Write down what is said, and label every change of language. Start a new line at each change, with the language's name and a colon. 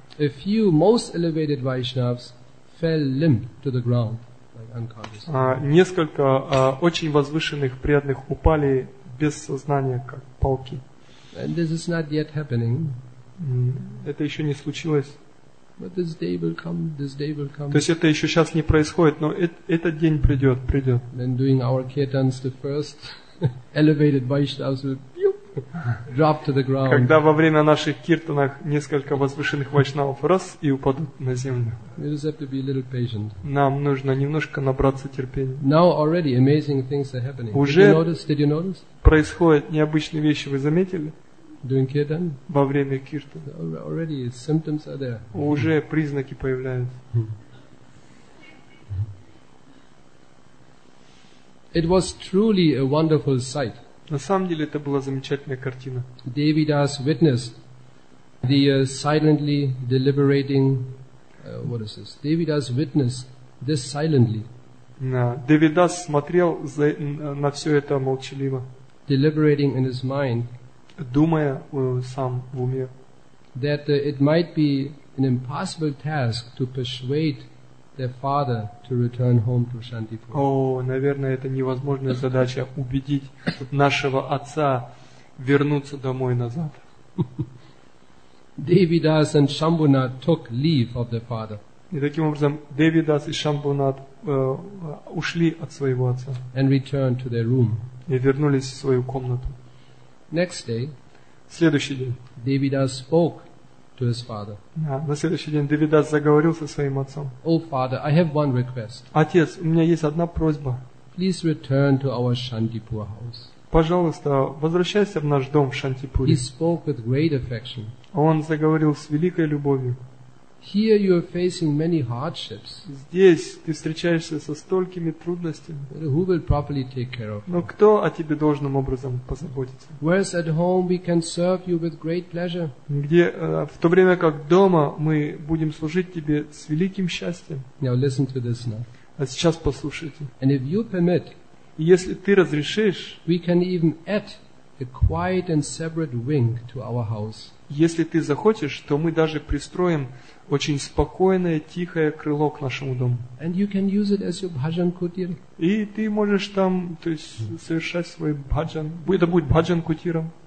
English: A few most elevated Vaishnavas fell limp to the ground, like unconscious.
Russian: Несколько очень возвышенных преданных упали без сознания, как палки.
English: And this is not yet happening.
Russian: Это еще не случилось.
English: But this day will come. This day will come.
Russian: То есть это еще сейчас не происходит, но этот день придет, придет.
English: Then doing our kirtans, the first elevated Vaishnavas will. Drop to the ground.
Russian: Когда во время наших киртанах несколько возвышенных вайшнавов раз и упадут на землю.
English: We just have to be a little patient.
Russian: Нам нужно немножко набраться терпения.
English: Now already amazing things are happening.
Russian: Уже
English: did you notice? Did you notice?
Russian: Происходят необычные вещи, вы заметили?
English: During kirtan?
Russian: Во время киртан.
English: Already symptoms are there.
Russian: Уже признаки появляются.
English: It was truly a wonderful sight.
Russian: На самом деле это была замечательная картина.
English: Devidas witnessed the silently deliberating. What is this? Devidas witnessed this silently.
Russian: Devidas смотрел на все это молчаливо.
English: Deliberating in his mind.
Russian: Думая сам в уме.
English: That it might be an impossible task to persuade their father to return home to Shantipur.
Russian: Наверное, это невозможная задача убедить нашего отца вернуться домой назад.
English: Devidas and Shambhunath took leave of their father.
Russian: И таким образом Devidas и Shambhunath ушли от своего отца.
English: And returned to their room.
Russian: И вернулись в свою комнату.
English: Next day.
Russian: Следующий день.
English: Devidas spoke. To his father.
Russian: На следующий день Девидас заговорил со своим отцом.
English: Oh, father, I have one request.
Russian: Отец, у меня есть одна просьба.
English: Please return to our Shantipur house.
Russian: Пожалуйста, возвращайся в наш дом в Шантипуре.
English: He spoke with great affection.
Russian: Он заговорил с великой любовью.
English: Here you are facing many hardships.
Russian: Здесь ты встречаешься со столькими трудностями.
English: But who will properly take care of you?
Russian: Но кто о тебе должным образом позаботится?
English: Whereas at home we can serve you with great pleasure.
Russian: Где в то время как дома мы будем служить тебе с великим счастьем.
English: Now listen to this now.
Russian: А сейчас послушайте.
English: And if you permit,
Russian: если ты разрешишь,
English: we can even add a quiet and separate wing to our house.
Russian: если ты захочешь, то мы даже пристроим очень спокойное, тихое крыло к нашему дому.
English: And you can use it as your bhajan kutir.
Russian: И ты можешь там, то есть, совершать свой bhajan. Это будет bhajan kutiram.